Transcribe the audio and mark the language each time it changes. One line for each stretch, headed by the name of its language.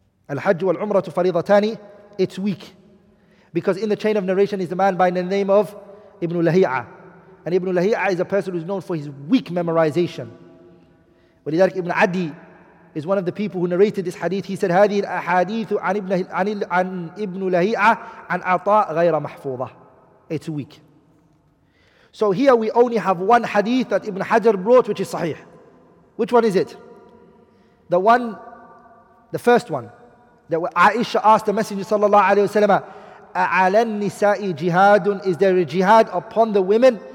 Arabic: الْحَجُّ وَالْعُمْرَةُ فَرِضَتَانِ.
English: It's weak. Because in the chain of narration is the man by the name of Ibn Lahi'ah. And Ibn Lahi'ah is a person who is known for his weak memorization. ولذلك Ibn Adi is one of the people who narrated this hadith. He said,
Arabic: هذه الأحاديث عن Ibn Lahi'ah عن عطاء غير محفوظة.
English: It's weak. So here we only have one hadith that Ibn Hajar brought, which is sahih. Which one is it? The one, the first one, that Aisha asked the Messenger sallallahu alayhi wa sallam,
Arabic: أَعَلَى النِّسَاءِ جِهَادٌ,
English: is there a jihad upon the women?